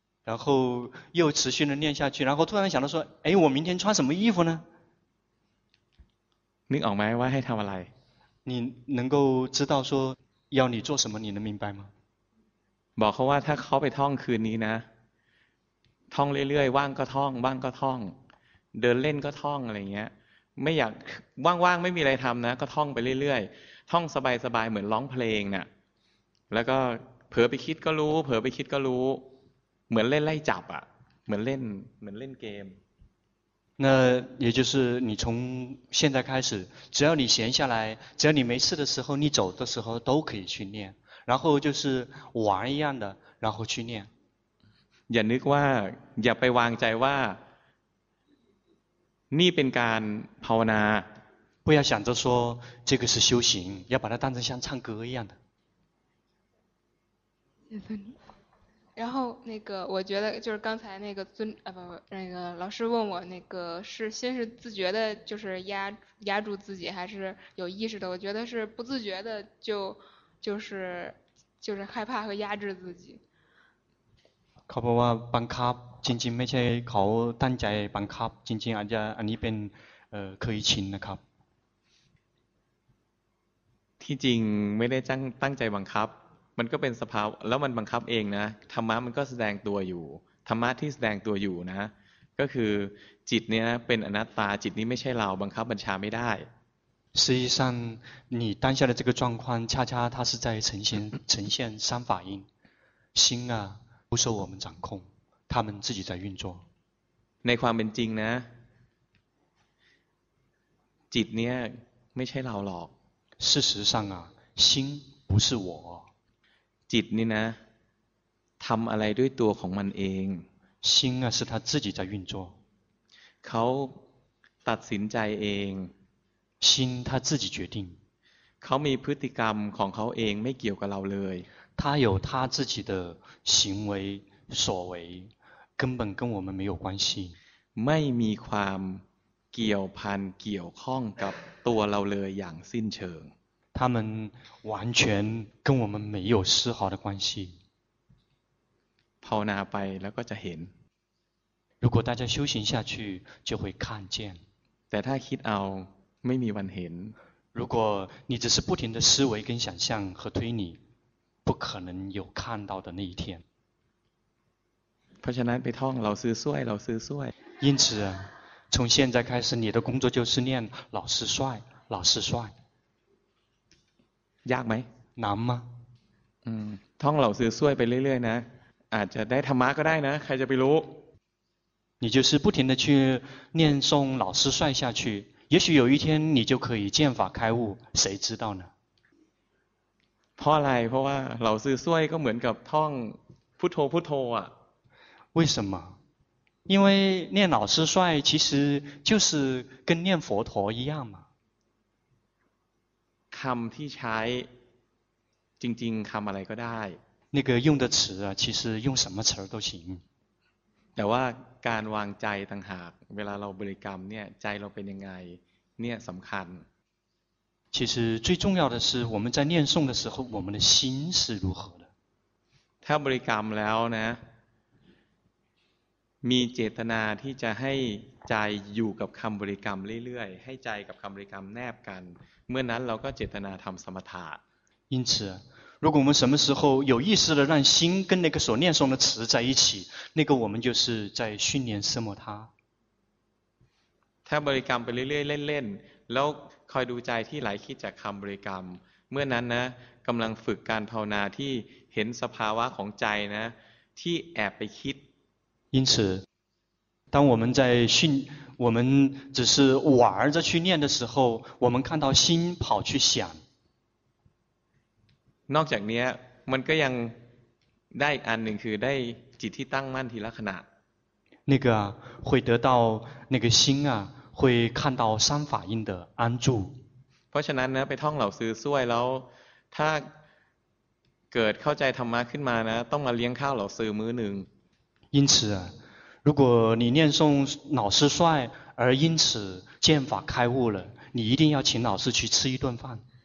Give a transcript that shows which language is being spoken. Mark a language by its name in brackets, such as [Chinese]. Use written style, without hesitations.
[Chinese] 然后又持续的念下去然后突然想到说哎我明天穿什么衣服呢 [Thai] นึกออกไหมว่าให้ทำอะไร [Chinese] 你能够知道说要你做什么你能明白吗 [Thai] บอกเขาว่าถ้าเขาไปท่องคืนนี้นะท่องเรื่อยๆว่างก็ท่องว่างก็ท่องเดินเล่นก็ท่องอะไรเงี้ยไม่อยากว่างๆไม่มีอะไรทำนะก็ท่องไปเรื่อยๆท่องสบายๆเหมือนร้องเพลงเนี่ยแล้วก็เผลอไปคิดก็รู้เผลอไปคิดก็รู้เหมือนเล่นไล่จับอ่ะเหมือนเล่นเกม [Chinese] 那也就是你从现在开始只要你闲下来只要你没事的时候你走的时候都可以去念然后就是玩一样的然后去念 [Thai] อย่านึกว่าอย่าไปวางใจว่านี่เป็นการภาวนา [Chinese] 不要想着说这个是修行要把它当成像唱歌一样的然后那个我觉得就是刚才那个尊啊不那个老师问我那个是先是自觉的就是压住自己还是有意识的我觉得是不自觉的就是害怕和压制自己 [Thai] เขาบอกว่าบังคับจริงๆไม่ใช่เขาตั้งใจบังคับจริงๆอาจจะอันนี้เป็นเคยชินนะครับ ที่จริงไม่ได้ตั้งใจบังคับมันก็เป็นสภาวะแล้วมันบังคับเองนะธรรมะมันก็แสดงตัวอยู่ธรรมะที่แสดงตัวอยู่นะก็คือจิตเนี้ยเป็นอนัตตาจิตนี้ไม่ใช่เราบังคับบัญชาไม่ได้ [Chinese] 实际上你当下的这个状况恰恰它是在呈现三法印心啊不受我们掌控他们自己在运作 [Thai] ในความเป็นจริงนะจิตเนี้ยไม่ใช่เราหรอก [Chinese] 事实上啊心不是我 [Thai] จิตนี่นะทำอะไรด้วยตัวของมันเอง [Chinese] 心啊是他自己在运作 [Thai] เขาตัดสินใจเอง [Chinese] 心他自己决定 [Thai] เขามีพฤติกรรมของเขาเองไม่เกี่ยวกับเราเลย [Chinese] 他有他自己的行为所为根本跟我们没有关系 [Thai] ไม่มีความเกี่ยวพันเกี่ยวข้องกับตัวเราเลยอย่างสิ้นเชิง [Chinese] 他们完全跟我们没有丝毫的关系 [Thai] ภาวนาไปแล้วก็จะเห็น [Chinese] 如果大家修行下去就会看见 [Thai] แต่ถ้าคิดเอาไม่มีวันเห็น [Chinese] 如果你只是不停的思维跟想象和推理不可能有看到的那一天 [Thai] เพราะฉะนั้นไปท่องเราซื้อซวยเราซื้อซวย [Chinese] 因此从现在开始你的工作就是念老师帅老师帅 [Thai] ยากไหม น้ำ ม ะ ท่องเราซื้อซวยไปเรื่อยๆนะอาจจะได้ธรรมะก็ได้นะใครจะไปรู้ [Chinese] 你就是不停的去念诵老师帅下去也许有一天你就可以见法开悟谁知道呢 [Thai] เพราะอะไรเพราะว่าเราซื้อซวยก็เหมือนกับท่องพุทโธพุทโธอ่ะ [Chinese] 为什么因为念老师帅其实就是跟念佛陀一样嘛 [Thai] คำที่ใช้จริงๆคำอะไรก็ได้ [Chinese] 那个用的词啊其实用什么词都行 [Thai] แต่ว่าการวางใจต่างหากเวลาเราบริกรรมเนี่ยใจเราเป็นยังไงเนี่ยสำคัญ [Chinese] 其实最重要的是我们在念诵的时候我们的心是如何的 [Thai] ถ้าบริกรรมแล้วนะมีเจตนาที่จะให้ใจอยู่กับคำบริกรรมเรื่อยๆให้ใจกับคำบริกรรมแนบกันเมื่อนั้นเราก็เจตนาทำสมถะ [Chinese] 因此如果我们什么时候有意识的让心跟那个所念诵的词在一起那个我们就是在训练สมถะ [Thai] ถ้าบริกรรมไปเรื่อยๆเล่นๆแล้วคอยดูใจที่ไหลคิดจากคำบริกรรมเมื่อนั้นนะกำลังฝึกการภาวนาที่เห็นสภาวะของใจนะที่แอบไปคิด [Chinese] 因此当我们在训我们只是玩着去念的时候我们看到心跑去想 [Thai] นอกจากนี้มันก็ยังได้อีกอันหนึ่งคือได้จิตที่ตั้งมั่นทีละขณะ [Chinese] 那个会得到那个心啊会看到三法印的安住 [Thai] เพราะฉะนั้นนะไปท่องเหล่าซื้อซวยแล้วถ้าเกิดเข้าใจธรรมะขึ้นมานะต้องมาเลี้ยงข้าวเหล่าซื้อมื้อนึง [Chinese] 因此如果你念诵老师帅而因此见法开悟了你一定要请老师去吃一顿饭